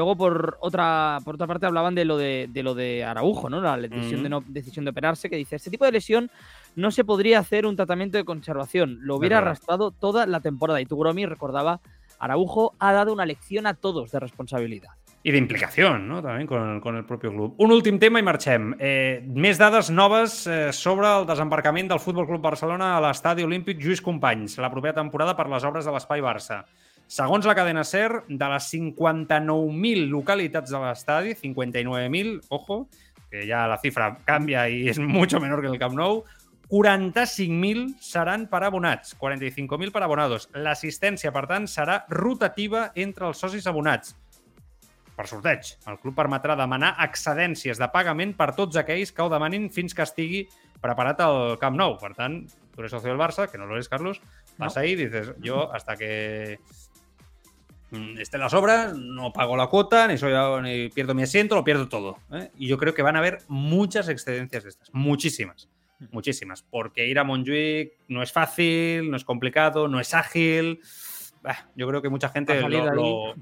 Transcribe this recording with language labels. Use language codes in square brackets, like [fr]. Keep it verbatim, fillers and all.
[es] Luego, por otra por otra parte, hablaban de lo de, de, lo de Araujo, ¿no? La decisión, mm-hmm. de no, decisión de operarse, que dice, este tipo de lesión no se podría hacer un tratamiento de conservación. Lo hubiera Ajá. arrastrado toda la temporada. Y Tugromi recordaba, Araujo ha dado una lección a todos de responsabilidad. [ca] I d'implicació, no? També [es] con, [ca] con el propi club. Un últim tema i marxem. Eh, més dades noves eh, sobre el desembarcament del Futbol Club Barcelona a l'Estadi Olímpic Lluís Companys, la propera temporada per les obres de l'Espai Barça. Segons la cadena SER, de les cinquanta-nou mil localitats de l'estadi, [es] cincuenta y nueve mil, ojo, [ca] que ja la xifra canvia i és [es] mucho menor [ca] que el Camp Nou, quaranta-cinc mil seran per abonats, [es] cuarenta y cinco mil [ca] per [es] abonados. [ca] L'assistència, per tant, serà rotativa entre els socis abonats. Per sorteig, el club permetrà demanar excedències de pagament per tots aquells que ho demanin fins que estigui preparat al Camp Nou. Per tant, [es] tu eres socio del Barça, que no lo eres, Carlos, vas no. ahí y dices, yo hasta que estén las obras, no pago la cuota, ni, soy, ni pierdo mi asiento, lo pierdo todo, ¿eh? Y yo creo que van a haber muchas excedencias de estas, muchísimas, muchísimas. Porque ir a Montjuic no es fácil, no es complicado, no es ágil… Yo creo que mucha gente lo, lo...